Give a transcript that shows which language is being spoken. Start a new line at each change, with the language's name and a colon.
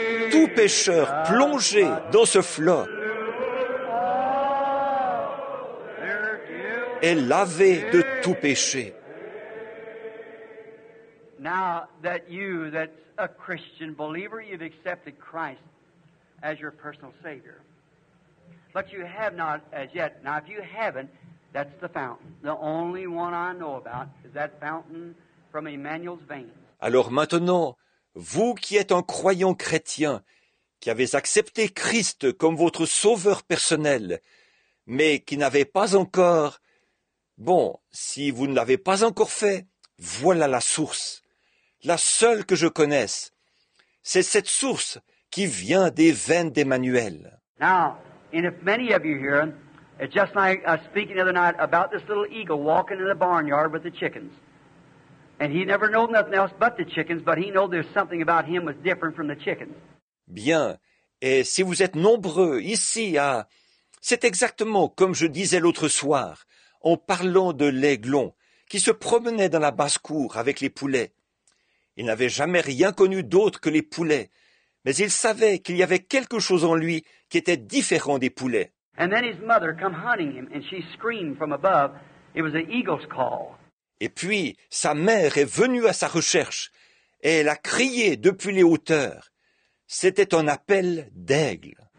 French: Tout pécheur plongé dans ce flot est lavé de tout péché.
English: Now that you, that's a Christian believer, you've accepted Christ as your personal Savior. But you have not as yet. Now if you haven't, that's the fountain. The only one I know about is that fountain from Emmanuel's veins.
French: Alors maintenant, vous qui êtes un croyant chrétien, qui avez accepté Christ comme votre sauveur personnel, mais qui n'avez pas encore... Bon, si vous ne l'avez pas encore fait, voilà la source, la seule que je connaisse. C'est cette source qui vient des veines d'Emmanuel.
English: Now, and if many of you here, it's just like I was speaking the other night about this little eagle walking in the barnyard with the chickens. And he never knew nothing else but the chickens, but he knew there's something about him was different from the chickens.
French: Bien, et si vous êtes nombreux ici à... C'est exactement comme je disais l'autre soir, en parlant de l'aiglon qui se promenait dans la basse-cour avec les poulets. Il n'avait jamais rien connu d'autre que les poulets, mais il savait qu'il y avait quelque chose en lui qui était différent des poulets.
English: And then his mother came hunting him, and she screamed from above. It was an eagle's call.
French: Et puis, sa mère est venue à sa recherche, et elle a crié depuis les hauteurs. C'était un appel d'aigle.